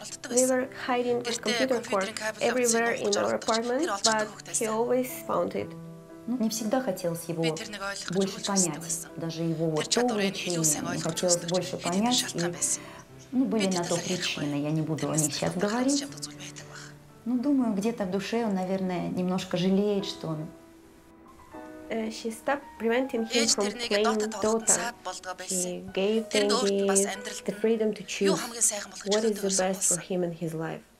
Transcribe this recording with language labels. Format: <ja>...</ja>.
<en>We were hiding the computer cord everywhere in our apartment, but he always found it.</en> <ru>Не всегда хотелось его больше понять, даже его поведение. Хотелось больше понять, и были на то причины. Я не буду о них сейчас говорить. Ну, думаю, где-то в душе он, наверное, немножко жалеет, что он...</ru> <en>She stopped preventing him from playing Dota. She gave Dengi the freedom to choose what is the best for him in his life.</en>